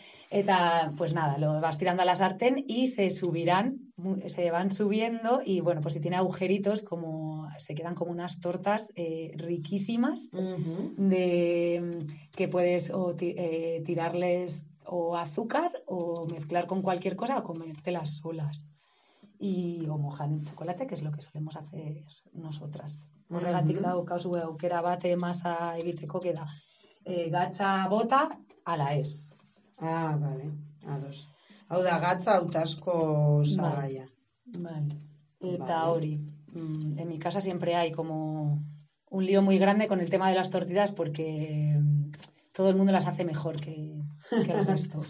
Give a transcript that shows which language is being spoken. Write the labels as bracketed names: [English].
[Spanish] Eta pues nada, lo vas tirando a la sartén y se van subiendo y bueno, pues si tiene agujeritos como se quedan como unas tortas riquísimas de que puedes tirarles o azúcar o mezclar con cualquier cosa o comértelas solas. Y o mojan en chocolate, que es lo que solemos hacer nosotras. [Basque] Horregatik daukazu aukera bat masa egiteko [Spanish] queda. [Basque] Gatza bota ala ez. [Spanish] Ah, vale. A dos. [Basque] Hau da gatza hautazko sagaia. Bai. Eta hori. [Spanish] En mi casa siempre hay como un lío muy grande con el tema de las tortitas porque todo el mundo las hace mejor que el resto.